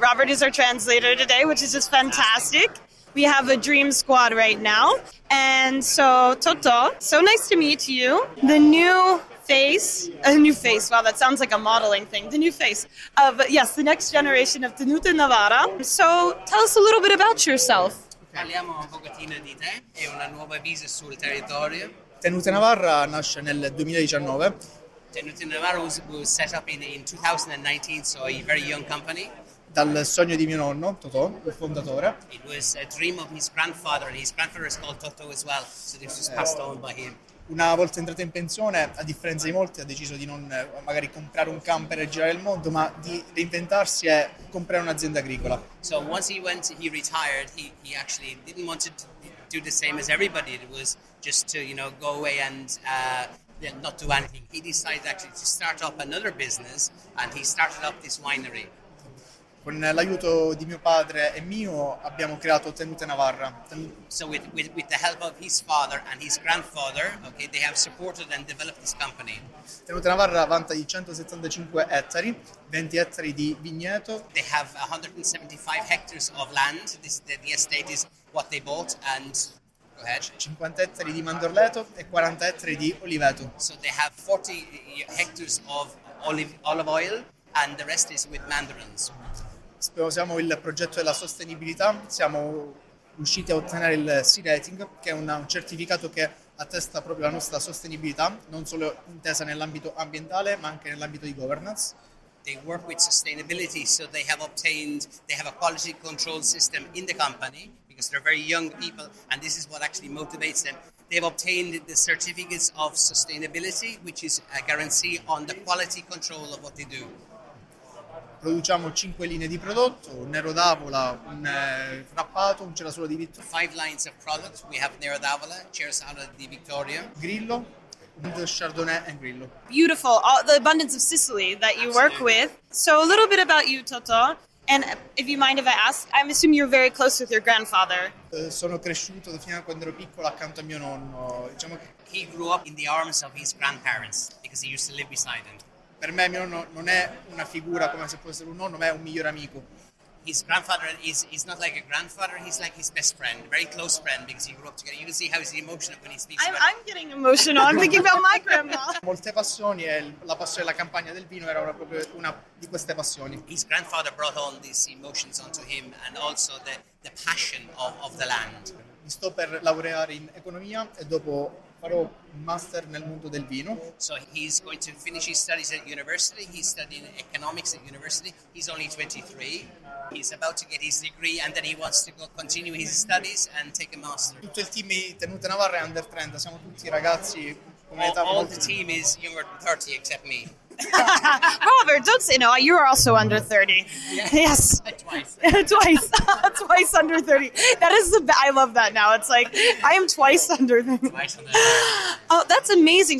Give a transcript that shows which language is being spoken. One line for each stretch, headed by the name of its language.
English: Robert is our translator today, which is just fantastic. We have a dream squad right now. And so, Toto, so nice to meet you. The new face, a new face. Wow, that sounds like a modeling thing. The new face of, yes, the next generation of Tenute Navarra. So tell us a little bit about yourself.
Italian: Parliamo un pochettino di te e una nuova visa sul territorio. Tenute Navarra nasce nel 2019.
English: Tenute Navarra was set up in 2019, so a very young company.
Italian: Dal sogno di mio nonno, Toto, il fondatore.
English: It was a dream of his grandfather, and his grandfather is called Toto as well, so this was passed on by him.
Italian: Una volta entrato in pensione, a differenza di molti, ha deciso di non magari comprare un camper e girare il mondo, ma di reinventarsi e comprare un'azienda agricola.
English: So once he went, he retired, he actually didn't want to do the same as everybody. It was just to, you know, go away and not do anything. He decided actually to start up another business, and he started up this winery.
Italian: Con l'aiuto di mio padre e mio abbiamo creato Tenute Navarra.
English: So with the help of his father and his grandfather, okay, they have supported and developed this company.
Italian: Tenute Navarra vanta di 175 ettari, 20 ettari di vigneto.
English: They have 175 hectares of land. This the estate is what they bought and
Italian: 50 ettari di mandorleto e 40 ettari di oliveto.
English: So they have 40 hectares of olive oil and the rest is with mandarins.
Italian: Sposiamo il progetto della sostenibilità, siamo riusciti a ottenere il C rating, che è un certificato che attesta proprio la nostra sostenibilità, non solo intesa nell'ambito ambientale, ma anche nell'ambito di governance.
English: They work with sustainability, so they have obtained, they have a quality control system in the company, because they're very young people, and this is what actually motivates them. They've obtained the certificates of sustainability, which is a guarantee on the quality control of what they do.
Italian: Produciamo 5 linee di prodotto, un nero d'avola, un frappato, un cerasolo di Vittoria.
English: 5 lines of product, we have nero d'avola, cerasolo di Vittoria. Grillo, chardonnay and grillo. Beautiful, the abundance of Sicily that you Absolutely. Work with. So a little bit about you, Toto. And if you mind if I ask, I'm assuming you're very close with your grandfather.
Italian: Sono cresciuto fino a quando ero piccolo accanto a mio nonno. Diciamo che...
English: He grew up in the arms of his grandparents because he used to live beside them.
Italian: Per me mio nonno non è una figura come se può essere un nonno, ma è un migliore amico.
English: His grandfather is not like a grandfather, he's like his best friend, very close friend, because he grew up together. You can see how he's emotional when he speaks. I'm getting emotional, I'm thinking about my grandma.
Italian: Molte passioni, e la passione della campagna del vino era proprio una di queste passioni.
English: His grandfather brought all these emotions onto him and also the passion of the land.
Italian: Mi sto per laureare in economia e dopo... farò un master nel mondo del vino.
English: So he's going to finish his studies at university. He's studying economics at university. He's only 23. He's about to get his degree and then he wants to go continue his studies and take a master.
Italian: Tutto il team di Tenute Navarra è under 30. Siamo tutti ragazzi con età.
English: All the team is younger than 30 except me. Robert, don't say no. You are also under 30. Yes. Twice under 30. That is the I love that now. It's like I am twice under 30. Oh, that's amazing.